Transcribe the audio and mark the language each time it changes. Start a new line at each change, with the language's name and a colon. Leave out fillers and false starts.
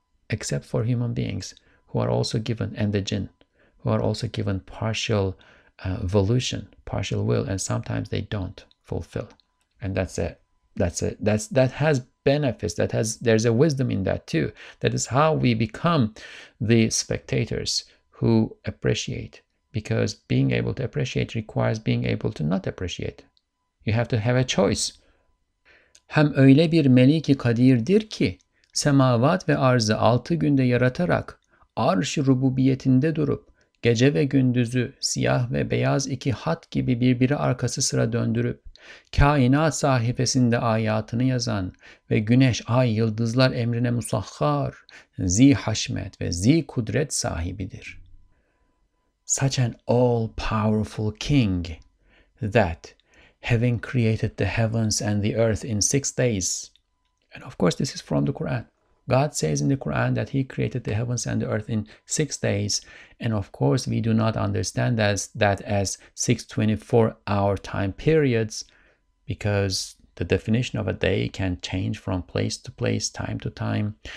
English: Except for human beings who are also given, and the jinn, who are also given partial volition, partial will, and sometimes they don't fulfill. And that's it. That has benefits. There's a wisdom in that too. That is how we become the spectators who appreciate. Because being able to appreciate requires being able to not appreciate. You have to have a choice.
Turkish: Hem öyle bir melik-i kadirdir ki, semavat ve arzı altı günde yaratarak, arş-ı rububiyetinde durup, gece ve gündüzü siyah ve beyaz iki hat gibi birbiri arkası sıra döndürüp, Kainat sahifesinde ayatını yazan ve güneş, ay, yıldızlar emrine musahhar, zi haşmet ve zi kudret sahibidir.
English: Such an all-powerful king that, having created the heavens and the earth in 6 days, and of course this is from the Qur'an, God says in the Qur'an that he created the heavens and the earth in 6 days, and of course we do not understand that as 6 24-hour time periods, because the definition of a day can change from place to place, time to time.